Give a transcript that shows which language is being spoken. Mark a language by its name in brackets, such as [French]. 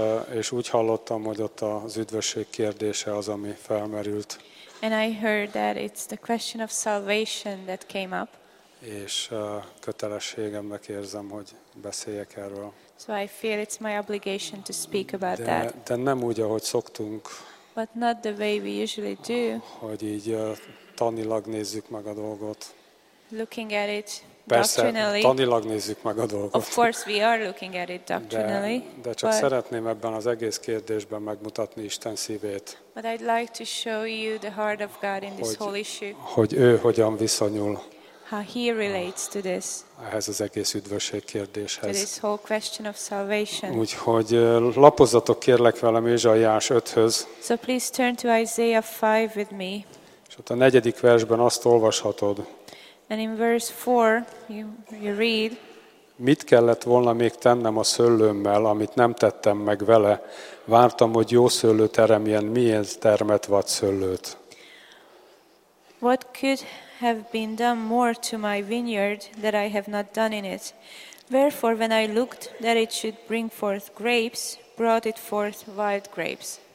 [Hungarian] És úgy hallottam, hogy ott az üdvösség kérdése az, ami felmerült. [English] And I heard that it's the question of salvation that came up. [Hungarian] És kötelességemnek érzem, hogy beszéljek erről. [English] So I feel it's my obligation to speak about that. [Hungarian] De nem úgy, ahogy szoktunk. [English] But not the way we usually do. [Hungarian] Hogy így tanilag nézzük meg a dolgot. [English] Looking at it. [Hungarian] Persze, tanilag nézzük meg a dolgot. [English] Of course we are looking at it doctrinally. [Hungarian] De csak szeretném ebben az egész kérdésben megmutatni Isten szívét. [English] But I'd like to show you the heart of God in this whole issue. [Hungarian] Hogy ő hogyan viszonyul. [English] How he relates to this. [Hungarian] Ehhez az egész üdvösség kérdéshez. [English] To this whole question of salvation. [Hungarian] Úgyhogy lapozzatok kérlek velem Ézsaiás 5-höz. [English] So please turn to Isaiah 5 with me. [Hungarian] És ott a negyedik versben azt olvashatod. [English] And in verse 4 you read. [Hungarian] Mit kellett volna még tennem a szőlőmmel, amit nem tettem meg vele? Vártam, hogy jó szőlő teremjen, miért termet vad szőlőt? [English] What could have been done more to my vineyard that I have not done in it? Wherefore, when I looked that it should bring forth grapes, brought it forth wild grapes.